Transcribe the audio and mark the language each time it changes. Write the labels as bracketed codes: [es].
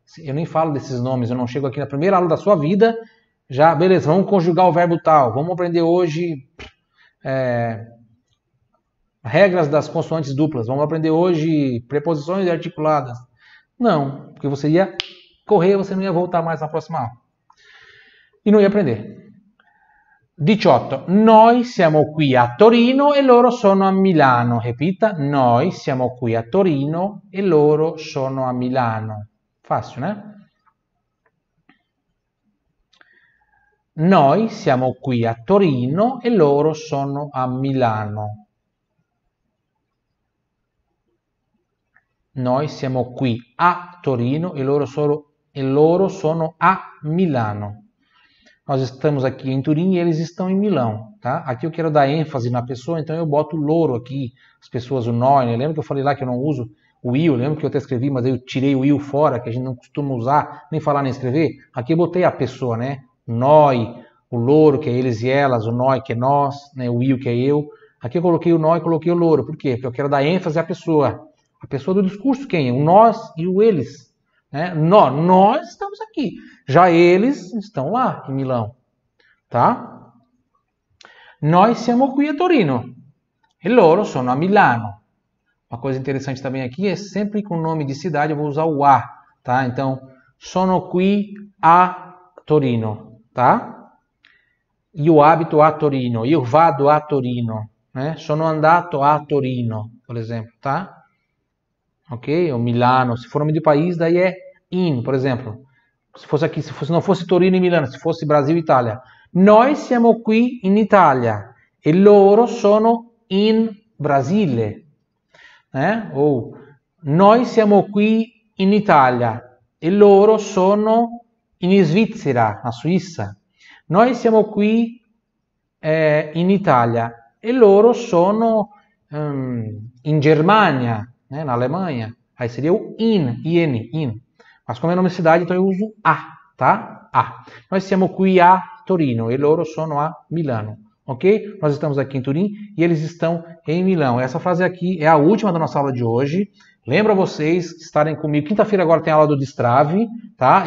[pt] Eu nem falo desses nomes, eu não chego aqui na primeira aula da sua vida, já, beleza, vamos conjugar o verbo tal, vamos aprender hoje regras das consoantes duplas, vamos aprender hoje preposições articuladas. Não, porque você ia correr, você não ia voltar mais na próxima aula. E não ia aprender. 18. [it] Noi siamo qui a Torino e loro sono a Milano. Repita. Noi siamo qui a Torino e loro sono a Milano. Facile, eh? Noi siamo qui a Torino e loro sono a Milano. Noi siamo qui a Torino e loro sono a Milano. [pt] Nós estamos aqui em Turim e eles estão em Milão, tá? Aqui eu quero dar ênfase na pessoa, então eu boto o loro aqui, as pessoas, o nós, né? Lembra que eu falei lá que eu não uso o il, lembro que eu até escrevi, mas eu tirei o il fora, que a gente não costuma usar, nem falar nem escrever. Aqui eu botei a pessoa, né? Nós, o loro, que é eles e elas, o nós, que é nós, né? O il, que é eu. Aqui eu coloquei o nós e coloquei o loro. Por quê? Porque eu quero dar ênfase à pessoa. A pessoa do discurso quem? O nós e o eles. É, nós estamos aqui. Já eles estão lá em Milão, tá? [it] Noi siamo qui a Torino e loro sono a Milano. [pt] Uma coisa interessante também aqui é sempre com o nome de cidade eu vou usar o a, tá? [it] Então, sono qui a Torino, tá? Io abito a Torino, io vado a Torino, né? Sono andato a Torino, por exemplo, tá? Ok? [pt] O Milano, se for nome de país, daí é in, por exemplo, se fosse aqui, se fosse, não fosse Torino e Milano, se fosse Brasil e Itália. [it] Noi siamo qui in Italia e loro sono in Brasile, né? Ou noi siamo qui in Italia e loro sono in Svizzera, la Suissa. Noi siamo qui in Italia e loro sono in Germania, in Alemania. [pt] Aí seria o in. Mas como é nome de cidade, então eu uso a, tá? A. Nós estamos aqui a Torino [it] e loro sono a Milano, [pt] ok? Nós estamos aqui em Turim e eles estão em Milão. Essa frase aqui é a última da nossa aula de hoje. Lembra vocês estarem comigo. Quinta-feira agora tem aula do Destrave, tá?